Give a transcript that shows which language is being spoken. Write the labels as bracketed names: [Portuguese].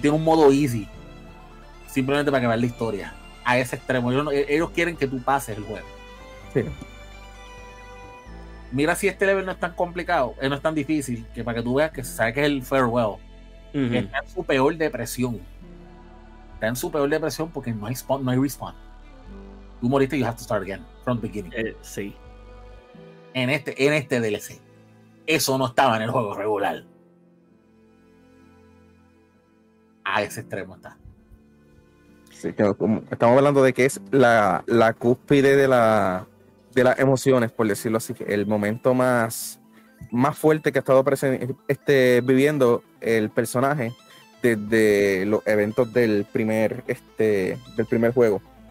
[Spanish] Tiene un modo easy, simplemente para que veas la historia a ese extremo. Ellos quieren que tú pases el juego. Sí. mira si este level no es tan complicado, no es tan difícil, que para que tú veas que sabes que es el farewell. Uh-huh. Está en su peor depresión. Está en su peor depresión porque no hay spawn, no hay respawn. Tú moriste, [English] you have to start again from the beginning. [Spanish] Sí. En este DLC. Eso no estaba en el juego regular. A ese extremo está. Sí, estamos hablando de que es la cúspide de las emociones, por decirlo así, el momento más fuerte que ha estado viviendo el personaje desde los eventos del primer juego.